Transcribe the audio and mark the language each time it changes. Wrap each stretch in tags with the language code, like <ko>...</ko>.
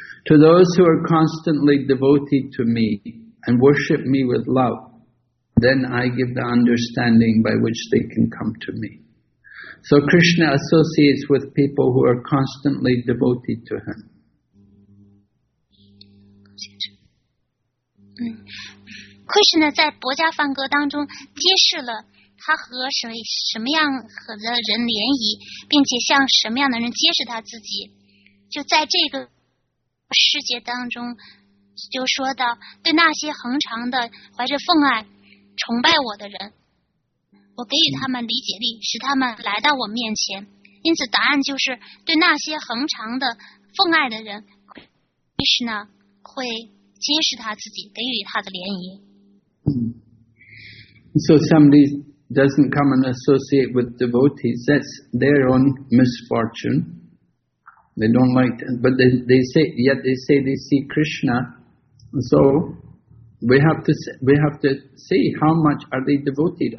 <en>To those who are constantly devoted to me and worship me with love, then I give the understanding by which they can come to me. So Krishna associates with people who are constantly devoted to him.</en> <zh>Krishna 在《薄伽梵歌》当中揭示了他和什么样的人联谊，并且向什么样的人揭示他自己。就在这个世界当中，就说到对那些恒常的怀着奉爱崇拜我的人，我给予他们理解力，使他们来到我面前。因此，答案就是对那些恒常的奉爱的人 ，Krishna 会揭示他自己，给予他的联谊。</zh> <en>So somebody doesn't come and associate with devotees, that's their own misfortune. They don't like that, but they say they see Krishna. So we have to see how much are they devoted.</en>